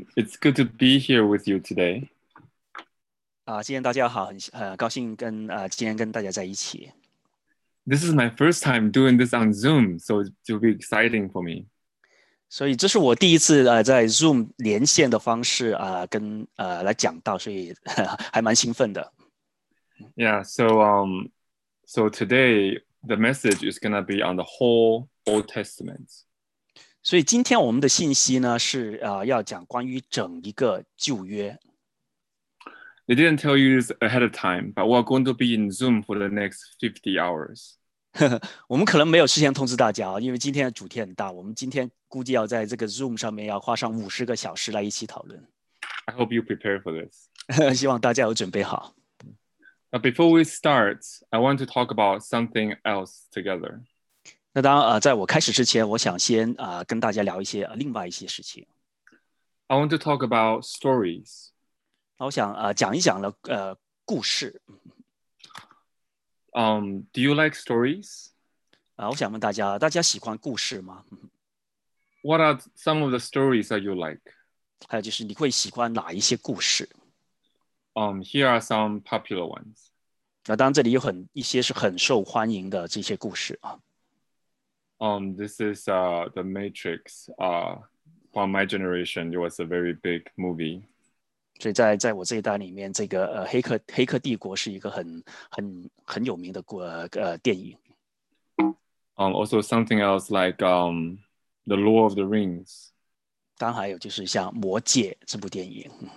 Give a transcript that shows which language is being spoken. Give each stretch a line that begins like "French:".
English: It's good to be here with you today.
Chinese: 今天大家好，高兴跟今天跟大家在一起。
English: This is my first time doing this on Zoom, so it'll be exciting for me.
Chinese: 所以这是我第一次在 Zoom 连线的方式跟来讲到，所以还蛮兴奋的。
English: Yeah, so today the message is going to be on the whole Old Testament.
Chinese: 所以今天我们的信息呢是要讲关于整一个旧约。
English: They didn't tell you this ahead of time, but we're going to be in Zoom for the next 50 hours.
Chinese: 我们可能没有事先通知大家，因为今天的主题很大，我们今天估计要在这个 Zoom 上面要花上50个小时来一起讨论。
English: I hope you prepare for this.
Chinese: 希望大家有准备好。
English: But before we start, I want to talk about something else together.
Chinese: 那当然，在我开始之前，我想先跟大家聊一些另外一些事情。
English: I want to talk about stories.
Chinese: 我想讲一讲了故事。
English: Do you like stories?
Chinese: 我想问大家喜欢故事吗？
English: What are some of the stories that you like?
Chinese: 还有就是你会喜欢哪一些故事？
English: Here are some popular ones.
Chinese: 当然这里有一些是很受欢迎的这些故事。
English: This is The Matrix. From my generation, it was a very big movie.
Chinese: 所以在我这一代里面，这个黑客帝国是一个很有名的电影。
English: Also something else like The Lord of the Rings。
Chinese: 当然还有就是像《魔戒》这部电影，